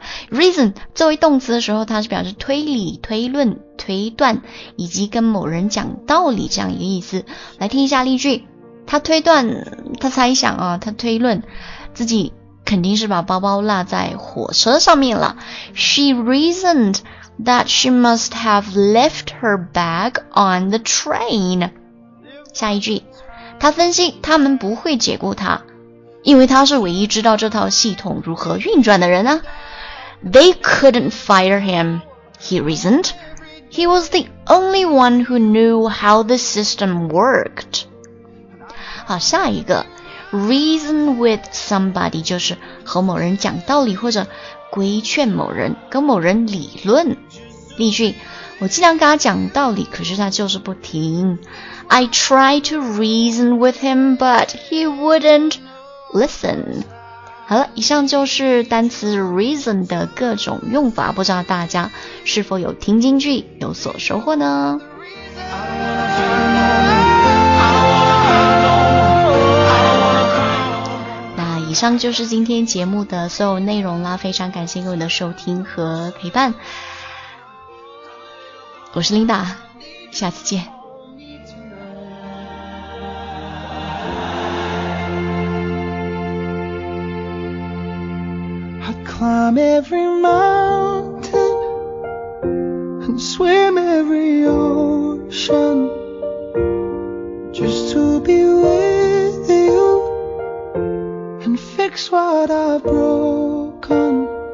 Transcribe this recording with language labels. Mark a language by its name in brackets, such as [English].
[Chinese] reason 作为动词的时候，它是表示推理、推论、推断以及跟某人讲道理这样一个意思。来听一下例句，他推断，他猜想啊，他推论自己肯定是把包包落在火车上面了。 [English] She reasonedThat she must have left her bag on the train. [Chinese] 下一句，他分析他们不会解雇他，因为他是唯一知道这套系统如何运转的人啊。 [English] They couldn't fire him, he reasoned. He was the only one who knew how the system worked. [Chinese] 好，下一个 [English] reason with somebody [Chinese] 就是和某人讲道理或者规劝某人，跟某人理论。例句，我尽量跟他讲道理，可是他就是不听。 [English] I tried to reason with him, but he wouldn't listen. [Chinese] 好了，以上就是单词 reason 的各种用法，不知道大家是否有听进去，有所收获呢？以上就是今天节目的所有内容啦，非常感谢各位的收听和陪伴，我是 Linda， 下次见。 [English] I climb every mountain and swim every ocean just to be with youFix what I've broken.